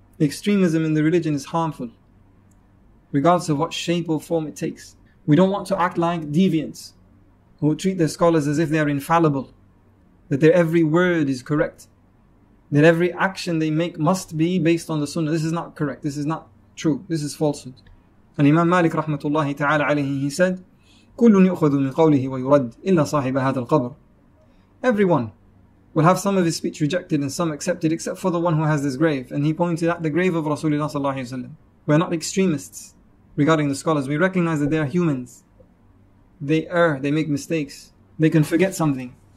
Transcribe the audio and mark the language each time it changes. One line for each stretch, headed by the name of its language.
English: Extremism in the religion is harmful, regardless of what shape or form it takes. We don't want to act like deviants who treat their scholars as if they are infallible, that their every word is correct, that every action they make must be based on the sunnah. This is not correct. This is not true. This is falsehood. And Imam Malik rahmatullahi ta'ala alayhi, he said,
Arabic: كُلٌّ يُؤْخَذُ مِنْ قَوْلِهِ وَيُرَدْ إِلَّا صَاحِبَ هَذَا الْقَبْرِ.
English: Everyone will have some of his speech rejected and some accepted, except for the one who has this grave. And he pointed at the grave of Rasulullah sallallahu alayhi wa sallam. We are not extremists regarding the scholars. We recognize that they are humans. They err, they make mistakes. They can forget something.